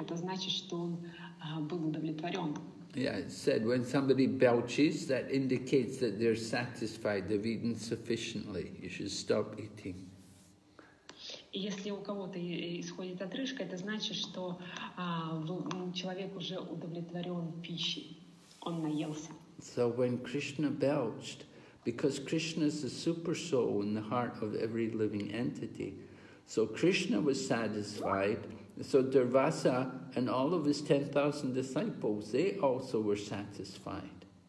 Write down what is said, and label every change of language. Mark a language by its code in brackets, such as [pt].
[ru] Это значит, что он был удовлетворен. [en] Yeah, it said when somebody belches, that indicates that they're satisfied, they've eaten sufficiently. You should stop eating. [ru] Если у кого-то исходит отрыжка, это значит, что человек уже удовлетворен пищей. Он наелся. [en] So when Krishna belched, because Krishna is the super soul in the heart of every living entity. So Krishna was satisfied, so Durvasa and all of his 10,000 disciples, they also were satisfied.